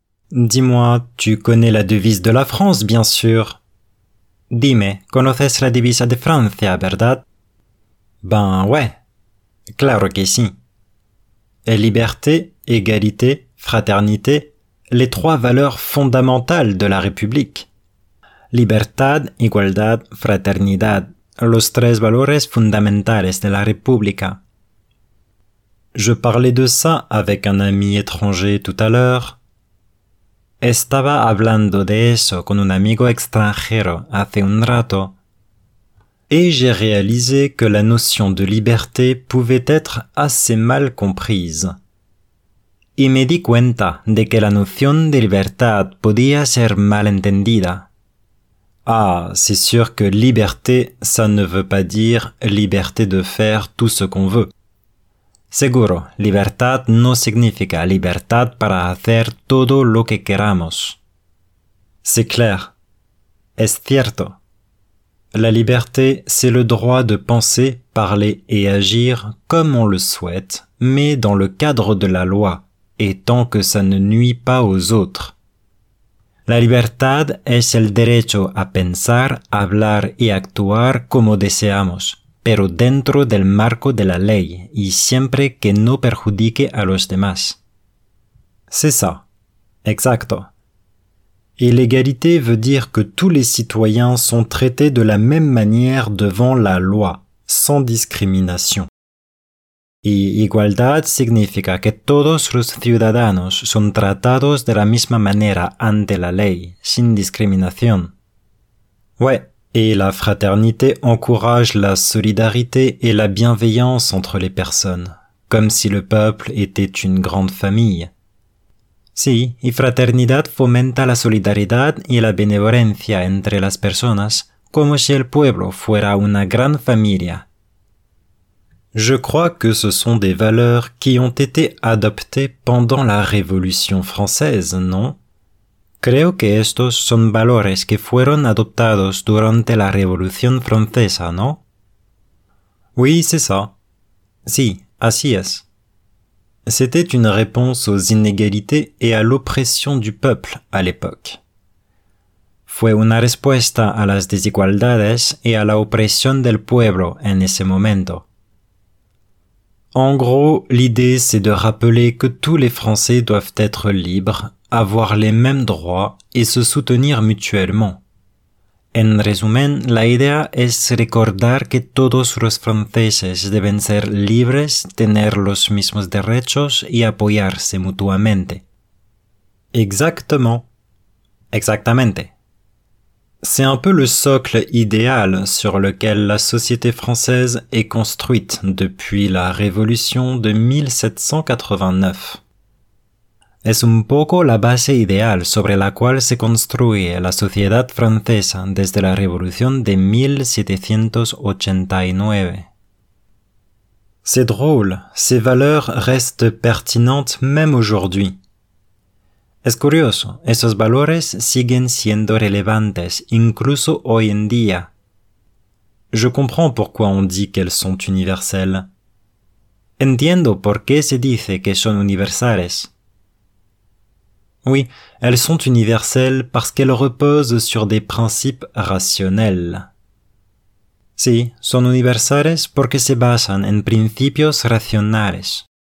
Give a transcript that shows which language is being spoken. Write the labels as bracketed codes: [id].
[fr] Dis-moi, tu connais la devise de la France, bien sûr. [es] Dime, conoces la divisa de Francia, verdad? [fr] Ben ouais, [es] claro que si. [fr] Et liberté, égalité, fraternité, les trois valeurs fondamentales de la République. [es] Libertad, igualdad, fraternidad, los tres valores fundamentales de la República. [fr] Je parlais de ça avec un ami étranger tout à l'heure. [es] Estaba hablando de eso con un amigo extranjero hace un rato. [fr] Et j'ai réalisé que la notion de liberté pouvait être assez mal comprise. [es] Y me di cuenta de que la noción de libertad podía ser mal entendida. [fr] Ah, c'est sûr que liberté, ça ne veut pas dire liberté de faire tout ce qu'on veut. [es] Seguro, libertad no significa libertad para hacer todo lo que queramos. [fr] C'est clair. [es] Es cierto. [fr] La liberté, c'est le droit de penser, parler et agir comme on le souhaite, mais dans le cadre de la loi, et tant que ça ne nuit pas aux autres. [es] La libertad es el derecho a pensar, hablar y actuar como deseamos, pero dentro del marco de la ley y siempre que no perjudique a los demás. [fr] C'est ça. [es] Exacto. [fr] Et l'égalité veut dire que tous les citoyens sont traités de la même manière devant la loi, sans discrimination. [es] Y igualdad significa que todos los ciudadanos son tratados de la misma manera ante la ley, sin discriminación. [fr] Ouais, et la fraternité encourage la solidarité et la bienveillance entre les personnes, comme si le peuple était une grande famille. [es] Sí, y fraternidad fomenta la solidaridad y la benevolencia entre las personas, como si el pueblo fuera una gran familia. [fr] Je crois que ce sont des valeurs qui ont été adoptées pendant la Révolution française, ¿no? [es] Creo que estos son valores que fueron adoptados durante la Revolución Francesa, ¿no? [fr] Oui, c'est ça. [es] Sí, así es. [fr] C'était une réponse aux inégalités et à l'oppression du peuple à l'époque. [es] fue una respuesta a las desigualdades y a la opresión del pueblo en ese momento. [fr] En gros, l'idée c'est de rappeler que tous les Français doivent être libres, avoir les mêmes droits et se soutenir mutuellement. [es] En resumen, la idea es recordar que todos los franceses deben ser libres, tener los mismos derechos y apoyarse mutuamente. [fr] Exactement. [es] Exactamente. [fr] C'est un peu le socle idéal sur lequel la société française est construite depuis la Révolution de 1789. [es] Es un poco la base ideal sobre la cual se construye la sociedad francesa desde la Revolución de 1789. [fr] C'est drôle, ces valeurs restent pertinentes même aujourd'hui. [es] Es curioso, esos valores siguen siendo relevantes incluso hoy en día. [fr] Je comprends pourquoi on dit qu'elles sont universelles. [es] Entiendo por qué se dice que son universales. [fr] Oui, elles sont universelles parce qu'elles reposent sur des principes rationnels. [es] Sí, son universales porque se basan en principios racionales.